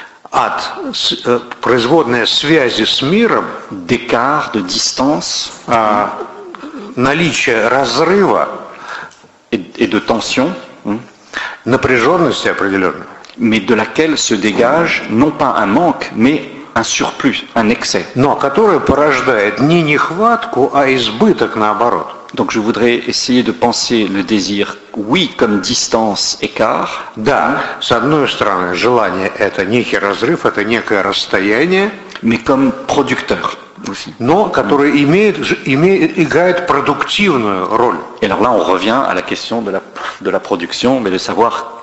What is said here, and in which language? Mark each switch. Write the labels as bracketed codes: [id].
[ru] от производная связи с миром, [fr] d'écart, de distance, [ru] наличие разрыва [fr] et de tension, [ru] напряженности определенной, [fr] mais de laquelle se dégage non pas un manque, mais un surplus, un excès. [ru] Но которое порождает не нехватку, а избыток наоборот. [fr] Donc je voudrais essayer de penser le désir, oui, comme distance, écart. [ru] Да, с одной стороны, желание – это некий разрыв, это некое расстояние. [fr] Mais comme producteur aussi. [ru] Но который играет продуктивную роль. [fr] Et alors là, on revient à la question de la production, mais de savoir...